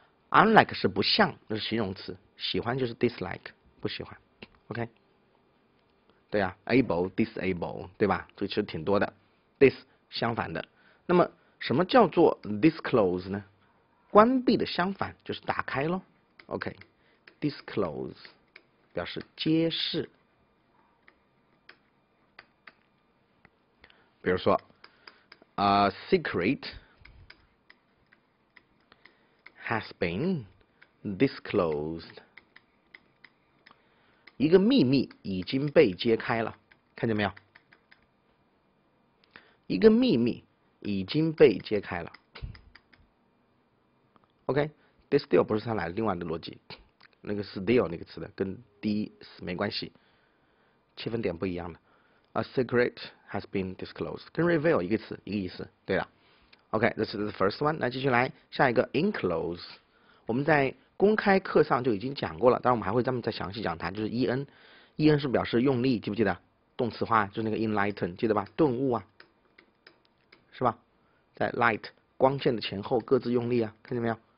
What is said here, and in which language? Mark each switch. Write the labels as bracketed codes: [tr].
[zh] unlike 是不像，那是形容词。喜欢就是 dislike，不喜欢，OK，对啊，able disable，对吧？这其实挺多的，this 相反的。那么，什么叫做 disclose 呢？关闭的相反就是打开咯。 OK，disclose 表示揭示。 [en] 比如说，a secret has been disclosed。 [zh] 一个秘密已经被揭开了，看见没有？一个秘密已经被揭开了。 OK，distill 不是它来的另外的逻辑，那个 still 那个词的跟 dis 没关系，切分点不一样的。 [en] A secret has been disclosed [zh] 跟 reveal 一个词一个意思，对了。 OK， [en] this is the first one。 [zh] 那继续来下一个 enclose，我们在公开课上就已经讲过了，但是我们还会再详细讲它，就是 en，en 是表示用力，记不记得？动词化就是那个 enlighten，记得吧？顿悟啊，是吧？在 light 光线的前后各自用力啊，看见没有？